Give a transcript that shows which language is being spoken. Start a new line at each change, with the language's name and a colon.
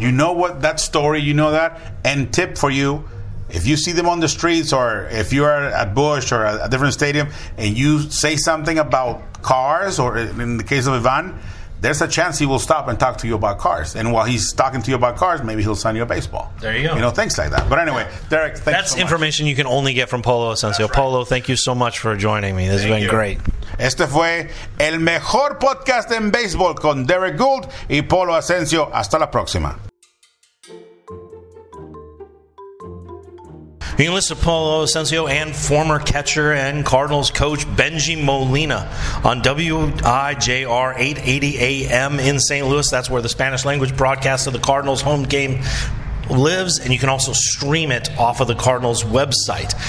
English: You know what that story, you know that. And tip for you, if you see them on the streets or if you are at Busch or a different stadium and you say something about cars, or in the case of Ivan, there's a chance he will stop and talk to you about cars. And while he's talking to you about cars, maybe he'll sign you a baseball. There you go. You know, things like that. But anyway, Derek, thank you so much. That's information you can only get from Polo Asensio. Right. Polo, thank you so much for joining me. This has been great.
Spanish: Este fue el mejor podcast en béisbol con Derek Gould y Polo Asensio. Hasta la próxima.
English: You can listen to Polo Asensio and former catcher and Cardinals coach Benji Molina on WIJR 880 AM in St. Louis. That's where the Spanish language broadcast of the Cardinals home game lives, and you can also stream it off of the Cardinals website.